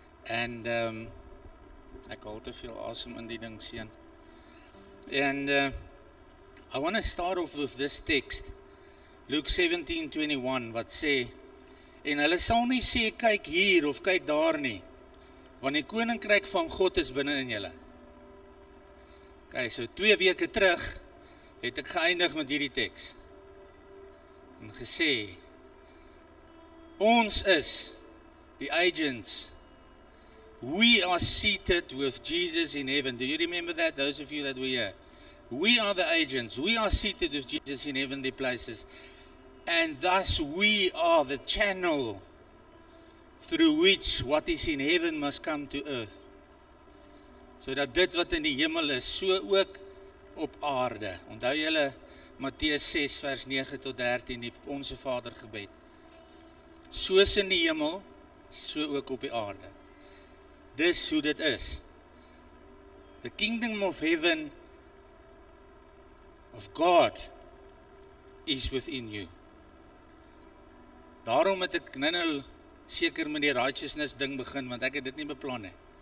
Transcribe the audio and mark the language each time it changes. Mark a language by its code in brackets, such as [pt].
[af] And ek hoor te veel awesome in die ding seën. [en] And I want to start off with this text. [af] Luke 17:21 wat sê, en hulle sal nie sê, kyk hier of kyk daar nie, want die koninkryk van God is binnen in julle. Okay, so 2 weke terug, het ek geëindig met hierdie tekst. En gesê, ons is die agents. [en] We are seated with Jesus in heaven. Do you remember that, those of you that were here? We are the agents. We are seated with Jesus in heavenly places. And thus we are the channel through which what is in heaven must come to earth. [af] So dat dit wat in die hemel is, so ook op aarde. Onthou julle Matteus 6 vers 9 tot 13, die onse Vader gebed. Soos in die hemel, so ook op die aarde. Dis hoe dit is. [en] The kingdom of heaven, of God, is within you. [af] Daarom het ek nou seker met die righteousness ding begin, want ek het dit nie beplan nie.